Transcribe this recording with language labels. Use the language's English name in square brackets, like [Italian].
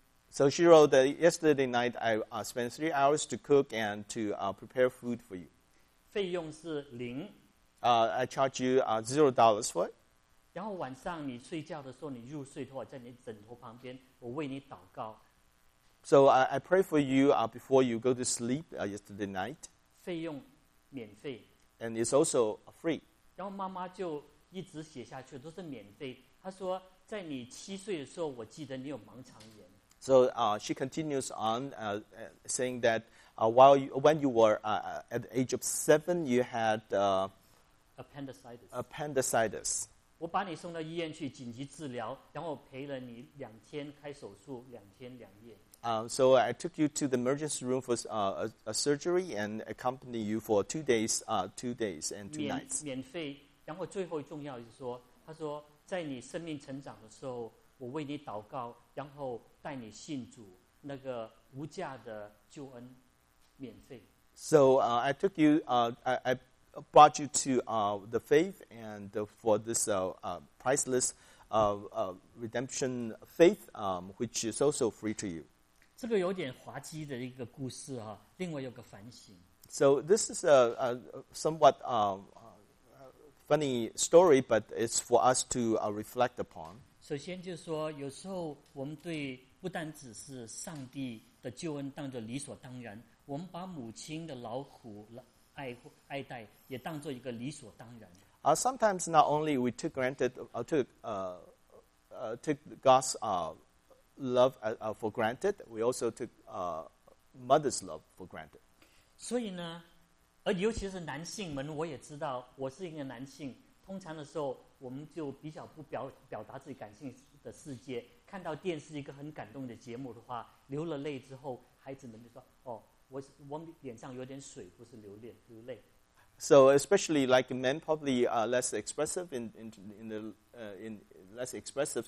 [English] So she wrote that yesterday night I spent 3 hours to cook and to prepare food for you. [Chinese] 费用是零。 [English] I charge you $0 for it. [Chinese] 然后晚上你睡觉的时候，你入睡的话，在你枕头旁边，我为你祷告。 [English] So I pray for you before you go to sleep yesterday night. [Chinese] 费用免费。 [English] And it's also free. [Chinese] 然后妈妈就一直写下去，都是免费。她说。在你七岁的时候，我记得你有盲肠炎。 [English] So, she continues on, saying that, when you were at the age of 7, you had appendicitis. [Chinese] 我把你送到医院去紧急治疗，然后陪了你两天，开手术两天两夜。 [English] So I took you to the emergency room for a surgery and accompanied you for two days and two nights. [Chinese] 免费，然后最后重要的是说，他说。在你生命成长的时候，我为你祷告，然后带你信主，那个无价的救恩，免费。 [English] So I took you, I brought you to the faith and for this priceless redemption faith, which is also free to you. [Chinese] 这个有点滑稽的一个故事哈，令我有个反省。 [English] So this is a somewhat funny story, but it's for us to reflect upon. [Chinese] 首先就是说，有时候我们对不单只是上帝的救恩当作理所当然，我们把母亲的劳苦爱戴也当作一个理所当然。 [English] Sometimes not only we took granted, took God's love for granted, we also took mother's love for granted. [Chinese] 所以呢。而尤其是男性们，我也知道，我是一个男性。通常的时候，我们就比较不表达自己感性的世界。看到电视一个很感动的节目的话，流了泪之后，孩子们就说：“哦，我脸上有点水，不是流泪。” [English] So especially like men, probably less expressive in less expressive.